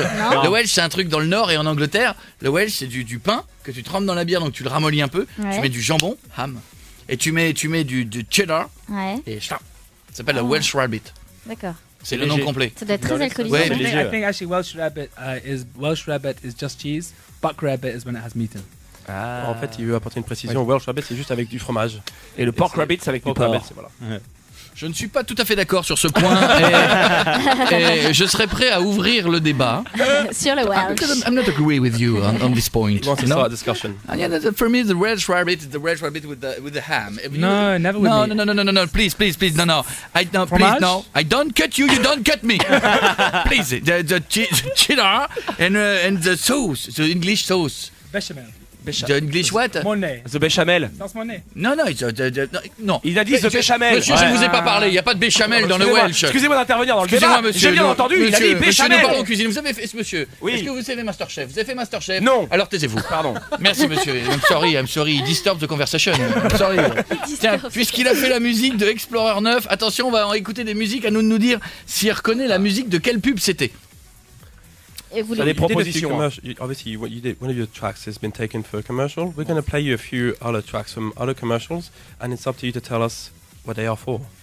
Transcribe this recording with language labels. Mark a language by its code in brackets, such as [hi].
[fr] Le Welsh, c'est un truc dans le nord et en Angleterre. Le Welsh, c'est du pain que tu trempes dans la bière, donc tu le ramollis un peu. Ouais. Tu mets du jambon, ham, et tu mets du cheddar. Ouais. Et ça s'appelle le Welsh rabbit. D'accord. C'est le nom complet. Ça doit être très alcoolisé. [en] I think actually Welsh rabbit is just cheese. Buck rabbit is when it has meat in. [fr] Ah. En fait, il veut apporter une précision. Ouais. Welsh rabbit, c'est juste avec du fromage. Et le pork rabbit, c'est avec du porc. Voilà. Ouais. Je ne suis pas tout à fait d'accord sur ce point. et je serais prêt à ouvrir le débat. Sur le Welsh. [en] Because I'm not agreeing with you on this point. [fr] Bon, c'est ça, la discussion. [en] For me, the Welsh rabbit is the Welsh rabbit with the ham. No, never with me. No. Please. No. [fr] Fromage? [en] No. I don't cut you. You don't cut me. Please. The cheddar and the sauce. The English sauce. [fr] Béchamel. [en] The English what? [fr] Monet. [en] The béchamel. [fr] Sans Monet. Non. Il a dit the béchamel. Monsieur, ouais. Je ne vous ai pas parlé. Il n'y a pas de béchamel dans le Welsh. Excusez-moi d'intervenir dans le débat. Excusez-moi, monsieur. J'ai bien entendu. Monsieur, il a dit béchamel. Monsieur, nous parlons cuisine. Vous avez fait, monsieur. Oui. Est-ce que vous savez Masterchef? Vous avez fait Masterchef? Non. Alors taisez-vous. Pardon. [en] Merci, monsieur. I'm sorry. He disturbs the conversation. I'm sorry. [fr] Tiens, puisqu'il a fait la musique de Explorer 9, attention, on va en écouter des musiques. À nous de nous dire s'il reconnaît la musique de quelle pub c'était. Ça des propositions. [en] Obviously, what you did, one of your tracks has been taken for a commercial. We're going to play you a few other tracks from other commercials, and it's up to you to tell us what they are for.